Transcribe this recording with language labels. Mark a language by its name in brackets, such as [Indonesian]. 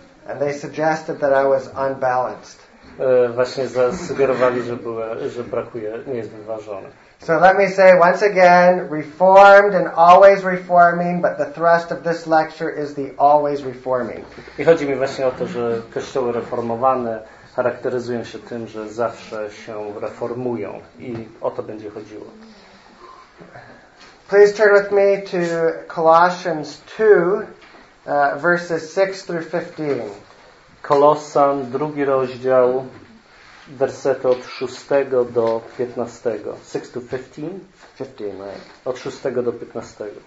[English] And they suggested that I was unbalanced. [Polish] Właśnie zasugerowali, że brakuje, nie jest wyważone. [English] So let me say once again, reformed and always reforming, but the thrust of this lecture is the always reforming. [Polish] I chodzi mi właśnie o to, że kościoły reformowane charakteryzują się tym, że zawsze się reformują i o to będzie chodziło. [English] Please turn with me to Colossians 2, verses 6 through 15. [Polish] Kolosan, drugi rozdział. Wersety od 6 do 15. [English] 6 to 15? 15, right. [Polish] Od 6 do 15.